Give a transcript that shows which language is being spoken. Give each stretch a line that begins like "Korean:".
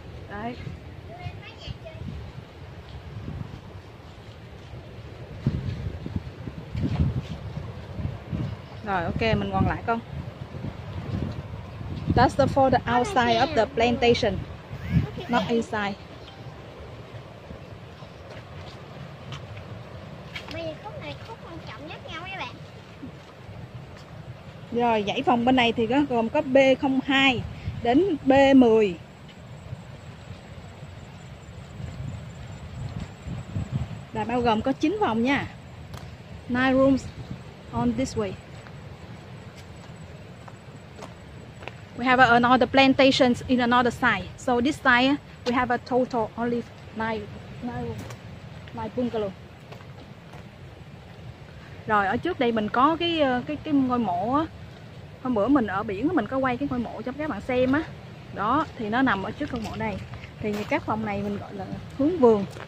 Vietnamese: Đấy. Rồi ok, mình còn lại không?
English: That's the for the outside of the plantation. Not inside.
Vietnamese: Mày khúc này khúc quan trọng nhất nha mấy bạn. Rồi dãy phòng bên này thì có gồm có B02 đến B10. Là bao gồm có 9 phòng nha.
English: 9 rooms on this way. We have another plantations in another side. So this side we have a total only 9 bungalow.
Vietnamese: Rồi ở trước đây mình có cái ngôi mộ á. Hôm bữa mình ở biển mình có quay cái ngôi mộ cho các bạn xem á. Đó, thì nó nằm ở trước ngôi mộ này. Thì các phòng này mình gọi là hướng vườn.